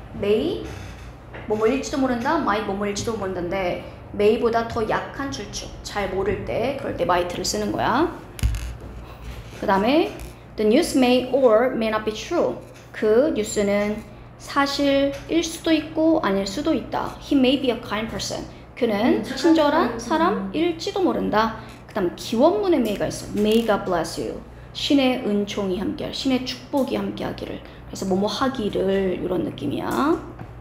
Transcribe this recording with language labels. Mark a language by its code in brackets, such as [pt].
[ko] May 뭐뭐일지도 모른다. Might 뭐뭐일지도 모른다인데 May보다 더 약한 추측. 잘 모를 때 그럴 때 Might를 쓰는 거야. 그 다음에 [en] The news may or may not be true. [ko] 그 뉴스는 사실일 수도 있고 아닐 수도 있다. [en] He may be a kind person. [ko] 그는 친절한 사람일지도 모른다. 그 다음 기원문에 may가 있어. [en] May God bless you. [ko] 신의 은총이 함께할, 신의 축복이 함께하기를. 그래서 뭐뭐 하기를 이런 느낌이야.